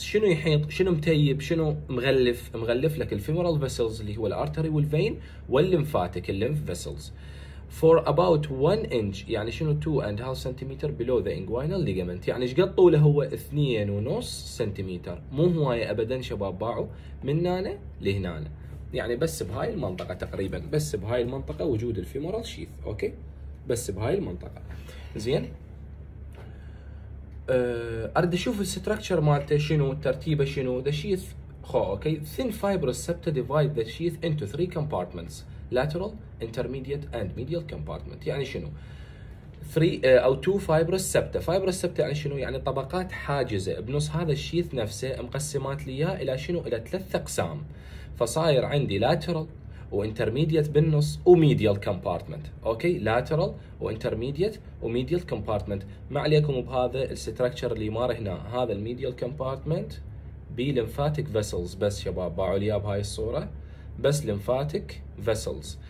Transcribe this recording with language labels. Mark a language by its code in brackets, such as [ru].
[ar] شنو يحيط؟ شنو متيب؟ شنو مغلف؟ مغلف لك الفيمورال vessels اللي هو الارتري والفين والليمفاتيك الليمف [en] vessels for about 1 inch، [ar] يعني شنو 2.5 سنتيمتر [en] below the inguinal ligament، [ar] يعني ايش قد طوله هو؟ 2.5 سنتيمتر، مو هوايه ابدا شباب، باعوا من هنا لهنا، يعني بس بهاي المنطقة تقريبا، بس بهاي المنطقة وجود الفيمورال شيث، اوكي؟ بس بهاي المنطقة. زين؟ أريد أشوف الستراكشر مالته شنو؟ ترتيبه شنو؟ ذا شيث، اوكي؟ [en] thin fibrous septa divide the sheath into three compartments lateral, intermediate, and medial compartment. [ar] يعني شنو؟ 3 أو 2 fibrous septa. fibrous septa يعني شنو؟ يعني طبقات حاجزة بنص هذا الشيث نفسه، مقسمات لي إياه إلى شنو؟ إلى ثلاث أقسام. فصاير عندي lateral وintermediate بالنص وmedial compartment، اوكي؟ lateral وintermediate وmedial compartment، ما عليكم بهذا الستراكشر اللي مار هنا، هذا الميديال compartment بليمفاتيك vessels بس شباب، باعوا لي بهاي الصوره، بس lymphatic vessels.